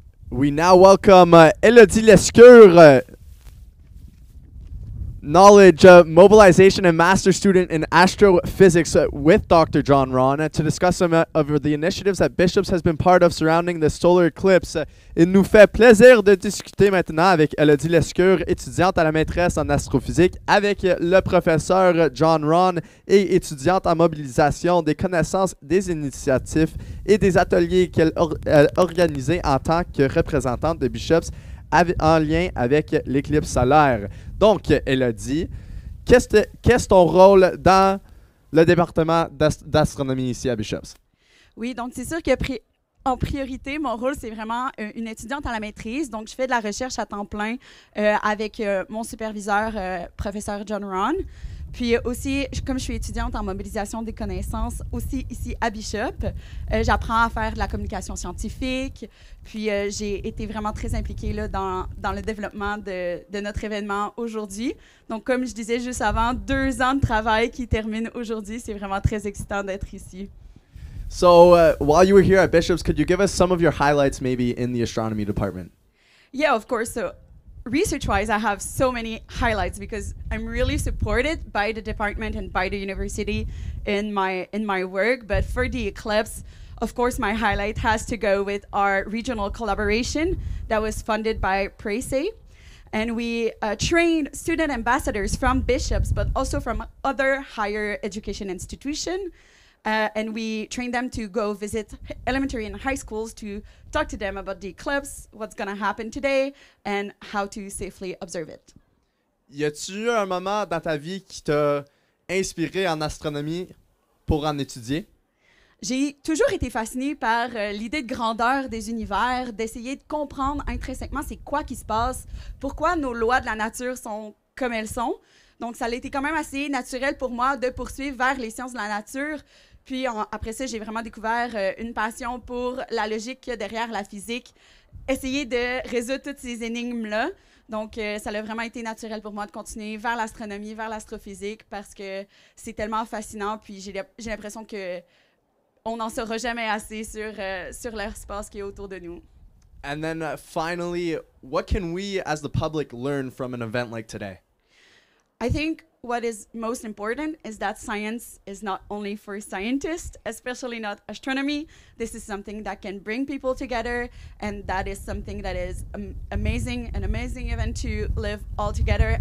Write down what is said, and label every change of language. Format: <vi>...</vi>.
<en>We now welcome Elodie Lescure, knowledge, mobilization, and master student in astrophysics with Dr. John Ron to discuss some of the initiatives that Bishops has been part of surrounding the solar eclipse.</en> <fr>Il nous fait plaisir de discuter maintenant avec Elodie Lescure, étudiante à la maîtresse en astrophysique, avec le professeur John Ron et étudiante en mobilisation des connaissances, des initiatives et des ateliers qu'elle a organisés en tant que représentante de Bishops en lien avec l'éclipse solaire. Donc, Elodie, qu'est-ce ton rôle dans le département d'astronomie ici à Bishops? Oui, donc c'est sûr que en priorité, mon rôle, c'est vraiment une étudiante à la maîtrise. Donc, je fais de la recherche à temps plein avec mon superviseur, professeur John Ron. Puis aussi, comme je suis étudiante en mobilisation des connaissances, aussi ici à Bishop, j'apprends à faire de la communication scientifique. Puis j'ai été vraiment très impliquée là, dans le développement de notre événement aujourd'hui. Donc, comme je disais juste avant, 2 ans de travail qui terminent aujourd'hui. C'est vraiment très excitant d'être ici.</fr> <en>So while you were here at Bishops, could you give us some of your highlights maybe in the astronomy department? Yeah, of course. So research-wise, I have so many highlights because I'm really supported by the department and by the university in my work. But for the eclipse, of course, my highlight has to go with our regional collaboration that was funded by PRESE. And we train student ambassadors from Bishops, but also from other higher education institutions. And we train them to go visit elementary and high schools to talk to them about the eclipse, what's going to happen today, and how to safely observe it.</en> <fr>Y a-tu eu un moment dans ta vie qui t'a inspiré en astronomie pour en étudier? J'ai toujours été fascinée par l'idée de grandeur des univers, d'essayer de comprendre intrinsèquement c'est quoi qui se passe, pourquoi nos lois de la nature sont comme elles sont. Donc, ça a été quand même assez naturel pour moi de poursuivre vers les sciences de la nature. Puis après ça, j'ai vraiment découvert une passion pour la logique derrière la physique, essayer de résoudre toutes ces énigmes-là. Donc, ça a vraiment été naturel pour moi de continuer vers l'astronomie, vers l'astrophysique, parce que c'est tellement fascinant. Puis j'ai l'impression qu'on n'en saura jamais assez sur l'espace qui est autour de nous.</fr> <en>And then finally, what can we as the public learn from an event like today? I think what is most important is that science is not only for scientists, especially not astronomy. This is something that can bring people together, and that is something that is amazing, an amazing event to live all together.</en>